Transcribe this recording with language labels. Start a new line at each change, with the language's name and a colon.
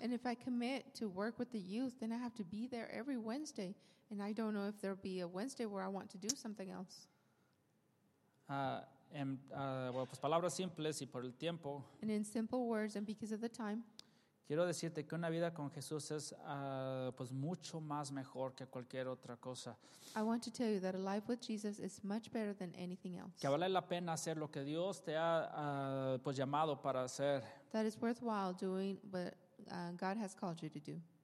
English: And if I commit to work with the youth, then I have to be there every Wednesday and I don't know if there'll be a Wednesday where I want to do something else.
Spanish: Bueno, pues palabras simples y por el tiempo.
English: And in simple words and because of the time.
Spanish: Quiero decirte que una vida con Jesús es pues mucho más mejor que cualquier otra cosa.
English: I want to tell you that a life with Jesus is much better than anything else.
Spanish: Que vale la pena hacer lo que Dios te ha pues llamado para hacer.
English: That is worthwhile doing what God has called you to do.